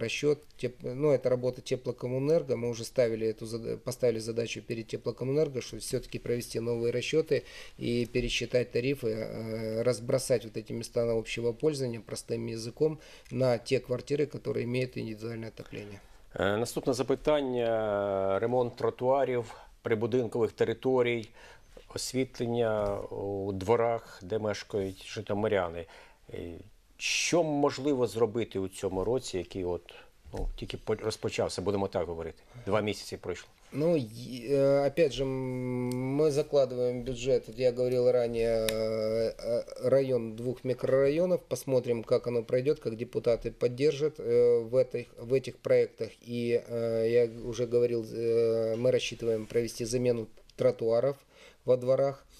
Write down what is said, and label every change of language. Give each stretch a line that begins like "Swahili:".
Russian: Это работа Теплокоммунэрго. Мы уже поставили задачу перед Теплокоммунэрго, чтобы все-таки провести новые расчеты и пересчитать тарифы, разбросать вот эти места на общего пользования простым языком на те квартиры, которые имеют индивидуальное отопление.
Ukrainian: Наступне запитання – ремонт тротуарів, прибудинкових територій, освітлення у дворах, де мешкають житомиряни. Що можливо зробити у цьому році, який тільки розпочався, будемо так говорити, 2 місяці пройшло?
Russian: Ну, опять же, мы закладываем бюджет, я говорил ранее, район 2 микрорайонов, посмотрим, как оно пройдет, как депутаты поддержат в этих проектах. И я уже говорил, мы рассчитываем провести замену тротуаров во дворах.